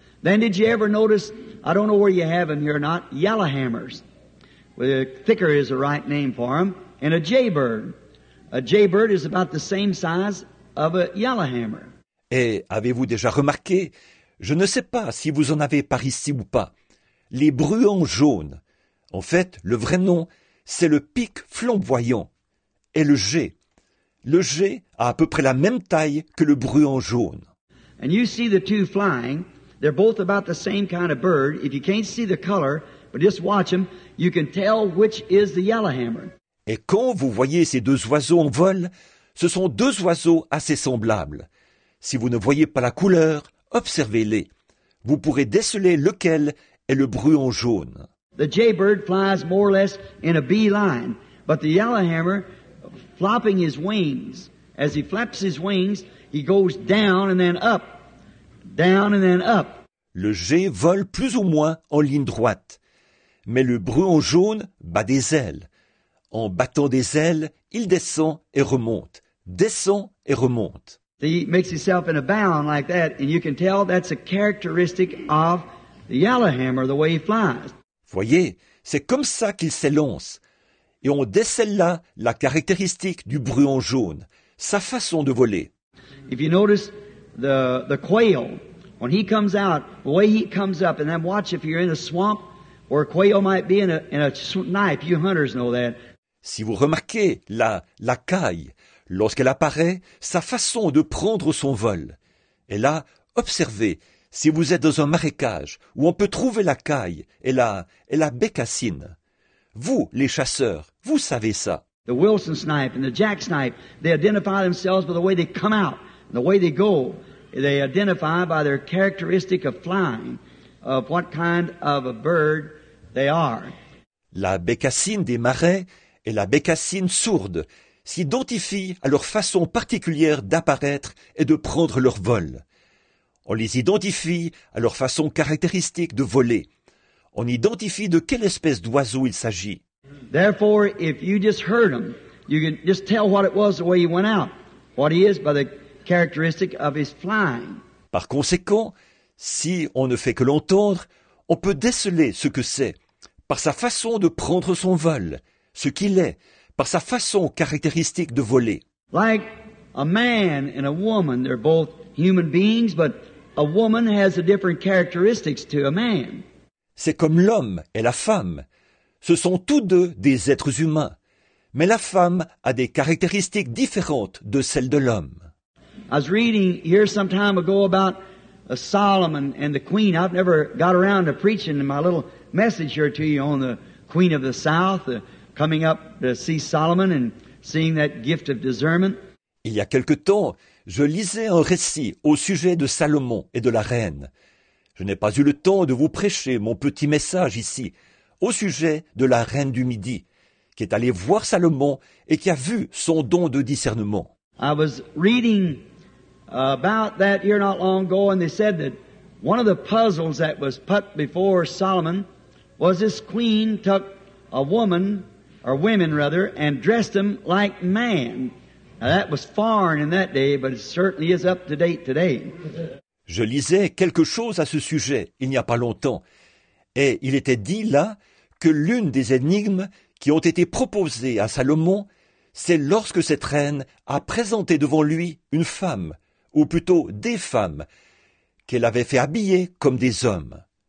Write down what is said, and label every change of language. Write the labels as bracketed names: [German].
[English] Then did you ever notice, I don't know where you have them here or not, yellowhammers. Well, thicker is the right name for them, and a jaybird. A jaybird is about the same size of a yellowhammer. [French] Et avez-vous déjà remarqué, je ne sais pas si vous en avez par ici ou pas, les bruants jaunes. En fait, le vrai nom, c'est le pic flamboyant. Et le jay. Le jay a à peu près la même taille que le bruant jaune. [English] And you see the two flying. They're both about the same kind of bird. If you can't see the color, but just watch them, you can tell which is the yellowhammer. [French] Et quand vous voyez ces deux oiseaux en vol, ce sont deux oiseaux assez semblables. Si vous ne voyez pas la couleur, observez-les. Vous pourrez déceler lequel est le bruant jaune. [English] The jaybird flies more or less in a bee line, but the yellowhammer, flapping his wings, as he flaps his wings, he goes down and then up, down and then up. [French] Le jay vole plus ou moins en ligne droite, mais le bruant jaune bat des ailes. En battant des ailes, il descend et remonte, descend et remonte. [English] He makes himself in a bound like that, and you can tell that's a characteristic of the yellowhammer, the way he flies. [French] Voyez, c'est comme ça qu'il s'élance. Et on décèle là la caractéristique du bruant jaune, sa façon de voler. [English] If you notice the quail, when he comes out, the way he comes up, and then watch if you're in a swamp, or a quail might be in a knife, you hunters know that. [French] Si vous remarquez la caille, lorsqu'elle apparaît, sa façon de prendre son vol. Et là, observez, si vous êtes dans un marécage où on peut trouver la caille et la bécassine. Vous, les chasseurs, vous savez ça. [English] The Wilson snipe and the Jack snipe, they identify themselves by the way they come out, the way they go. They identify by their characteristic of flying, of what kind of a bird they are. [French] La bécassine des marais et la bécassine sourde s'identifient à leur façon particulière d'apparaître et de prendre leur vol. On les identifie à leur façon caractéristique de voler. On identifie de quelle espèce d'oiseau il s'agit. [English] Therefore, if you just heard him, you can just tell what it was the way he went out, what he is by the characteristic of his flying. [French] Par conséquent, si on ne fait que l'entendre, on peut déceler ce que c'est, par sa façon de prendre son vol, ce qu'il est, par sa façon caractéristique de voler. [English] Like a man and a woman, they're both human beings, but a woman has a different characteristics to a man. [French] C'est comme l'homme et la femme. Ce sont tous deux des êtres humains. Mais la femme a des caractéristiques différentes de celles de l'homme. [English] I was reading here some time ago about Solomon and the queen. I've never got around to preaching in my little message here to you on the queen of the south, coming up to see Solomon and seeing that gift of discernment. [French] Il y a quelque temps, je lisais un récit au sujet de Salomon et de la reine. Je n'ai pas eu le temps de vous prêcher mon petit message ici au sujet de la reine du Midi qui est allée voir Salomon et qui a vu son don de discernement. [English] I was reading about that here not long ago and they said that one of the puzzles that was put before Solomon was this queen took a woman, or women rather, and dressed them like man. Now that was foreign in that day, but it certainly is up to date today. [French] Je lisais quelque chose à ce sujet il n'y a pas longtemps, et il était dit là que l'une des énigmes qui ont été proposées à Salomon, c'est lorsque cette reine a présenté devant lui une femme, ou plutôt des femmes, qu'elle avait fait habiller comme des hommes.